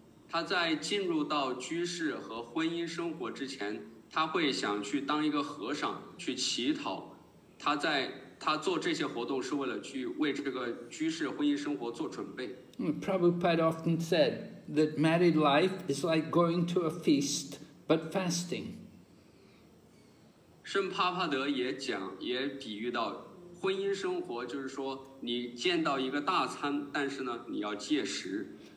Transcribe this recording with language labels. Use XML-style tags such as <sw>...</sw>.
<zh>他在进入到居士和婚姻生活之前。他会想去当一个和尚去乞讨，他做这些活动是为了去为这个居士婚姻生活做准备。</zh> <en>Prabhupada often said that married life is like going to a feast but fasting.</en> <zh>圣帕帕德也讲，也比喻到婚姻生活，就是说你见到一个大餐，但是呢，你要戒食。</zh>